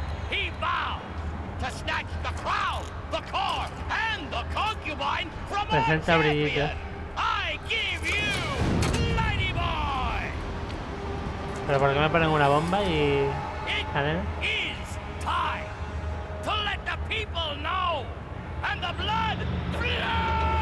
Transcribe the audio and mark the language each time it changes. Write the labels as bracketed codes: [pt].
[en] He vows to snatch the crown, the core, and the concubine from our champion. I give you Mighty Boy. [es] Pero ¿por qué me ponen una bomba y? ¿Cadena? [en] It is time to let the people know and the blood flow.